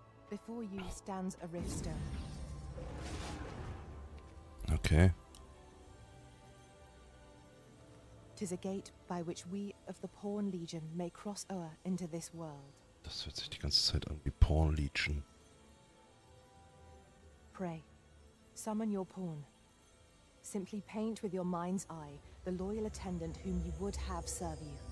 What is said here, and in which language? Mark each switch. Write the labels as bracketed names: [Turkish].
[English] Before you stands a Riftstone. Okay. Tis a gate by which we of the Pawn Legion may cross o'er into this world. [German] Das hört sich die ganze Zeit an wie Pawn Legion. [English] Pray, summon your pawn. Simply paint with your mind's eye the loyal attendant whom you would have serve you.